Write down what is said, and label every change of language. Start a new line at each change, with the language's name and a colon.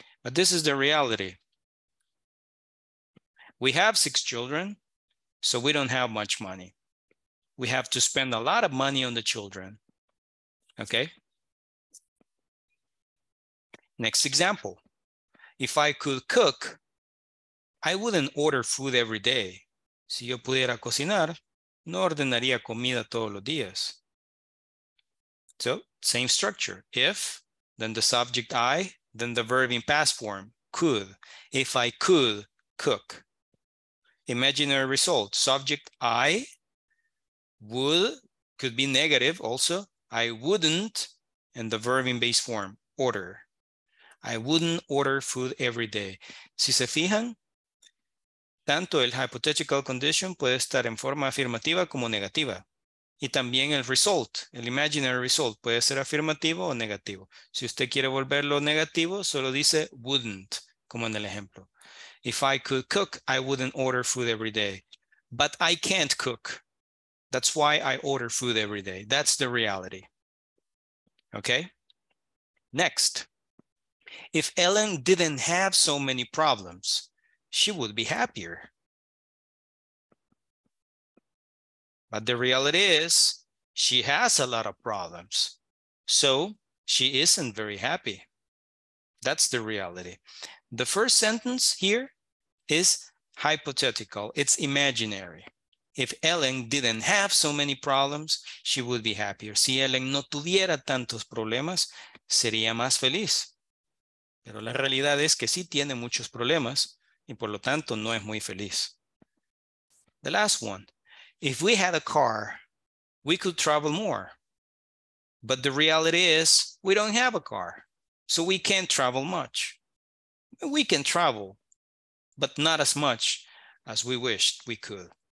English: But this is the reality. We have six children, So we don't have much money. We have to spend a lot of money on the children. Okay. Next example. If I could cook, I wouldn't order food every day.
Spanish: Si yo pudiera cocinar, no ordenaría comida todos los días.
English: So, same structure. If, then the subject I, then the verb in past form, could. If I could cook. Imaginary result. Subject I would, could be negative also. I wouldn't, and the verb in base form, order. I wouldn't order food every day.
Spanish: Si se fijan, tanto el
English: hypothetical condition
Spanish: puede estar en forma afirmativa como negativa. Y también el result, el
English: imaginary result,
Spanish: puede ser afirmativo o negativo. Si usted quiere volverlo negativo, solo dice wouldn't, como en el ejemplo.
English: If I could cook, I wouldn't order food every day. But I can't cook. That's why I order food every day. That's the reality. Okay? Next. If Ellen didn't have so many problems, she would be happier. But the reality is, she has a lot of problems. So she isn't very happy. That's the reality. The first sentence here is hypothetical. It's imaginary. If Ellen didn't have so many problems, she would be happier.
Spanish: Si Ellen no tuviera tantos problemas, sería más feliz. Pero la realidad es que sí tiene muchos problemas y por lo tanto no es muy feliz.
English: The last one. If we had a car, we could travel more. But the reality is we don't have a car, so we can't travel much. We can travel, but not as much as we wished we could.